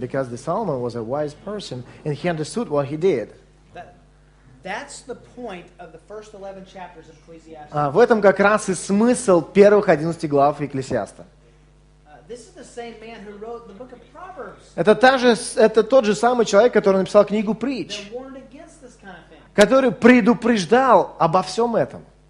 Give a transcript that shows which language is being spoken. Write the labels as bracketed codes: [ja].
[en] Because the Solomon was a wise person and he understood what he did. That's the point of the first 11 chapters of Ecclesiastes. [ru] В этом как раз и смысл первых 11 глав Екклесиаста. [en] This is the same man who wrote the book of Proverbs. [ru] Это тот же самый человек, который написал книгу Притч. Который предупреждал обо всем этом.